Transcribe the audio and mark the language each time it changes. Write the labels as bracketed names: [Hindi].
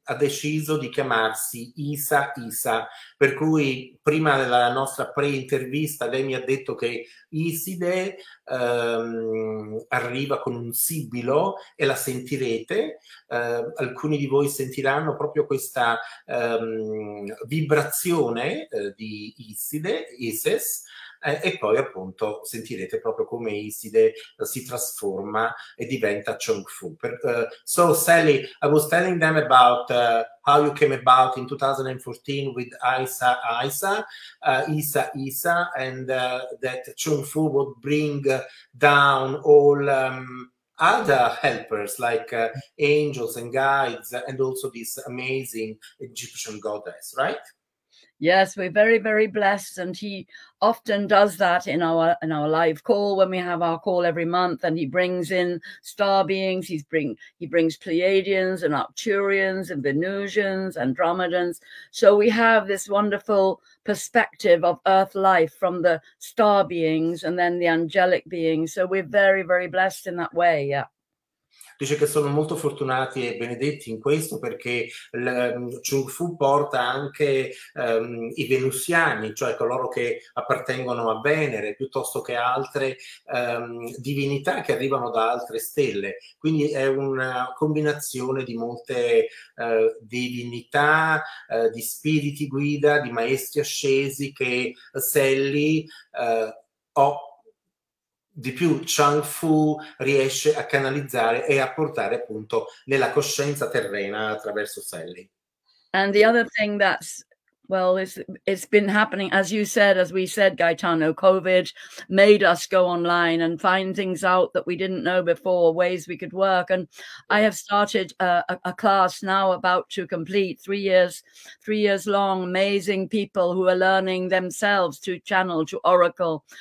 [Italian] deciso di chiamarsi Isa Isa, per cui prima della nostra pre-intervista lei mi ha detto che Iside arriva con un sibilo e la sentirete, alcuni di voi sentiranno proprio questa vibrazione di Iside, Isis, e poi appunto sentirete proprio come Iside si trasforma e diventa Chung Fu. [English] So Sally, I was telling them about how you came about in 2014 with Isa Isa, Isa Isa, and that Chung Fu would bring down all other helpers like angels and guides and also this amazing Egyptian goddess, right? Yes, we're very, very blessed, and he often does that in our live call when we have our call every month, and he brings in star beings. He brings Pleiadians and Arcturians and Venusians, Andromedans. So we have this wonderful perspective of Earth life from the star beings and then the angelic beings. So we're very, very blessed in that way. Yeah. [Italian] Dice che sono molto fortunati e benedetti in questo, perché Chung Fu porta anche i venusiani, cioè coloro che appartengono a Venere, piuttosto che altre divinità che arrivano da altre stelle. Quindi è una combinazione di molte divinità, di spiriti guida, di maestri ascesi che Sally ha. Di più, Chung Fu riesce a canalizzare e a portare appunto nella coscienza terrena attraverso Sally. [English] And the other thing that's, well, it's been happening, as you said, as we said, Gaetano, COVID made us go online and find things out that we didn't know before, ways we could work. And I have started a class now about to complete, three years long, amazing people who are learning themselves to channel, to oracle.